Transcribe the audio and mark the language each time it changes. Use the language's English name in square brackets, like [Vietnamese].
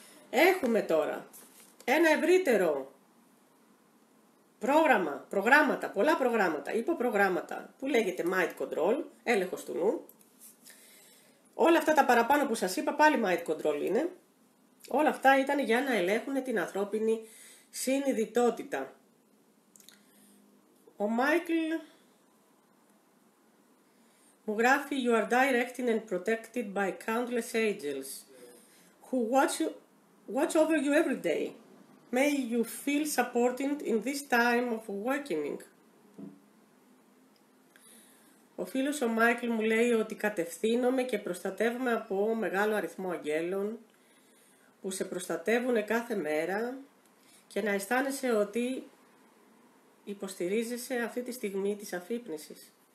[Greek] Έχουμε τώρα ένα ευρύτερο πρόγραμμα, προγράμματα, πολλά προγράμματα, υποπρογράμματα που λέγεται Mind Control, έλεγχος του νου. Όλα αυτά τα παραπάνω που σας είπα πάλι Mind Control είναι. Όλα αυτά ήταν για να ελέγχουν την ανθρώπινη συνειδητότητα. Ο Μάικλ μου γράφει [English] «You are directed and protected by countless angels who watch over you every day. May you feel supported in this time of awakening». [Greek] Ο φίλος ο Μάικλ μου λέει ότι κατευθύνομαι και προστατεύομαι από μεγάλο αριθμό αγγέλων που σε προστατεύουν κάθε μέρα και να αισθάνεσαι ότι υποστηρίζεσαι αυτή τη στιγμή της αφύπνισης.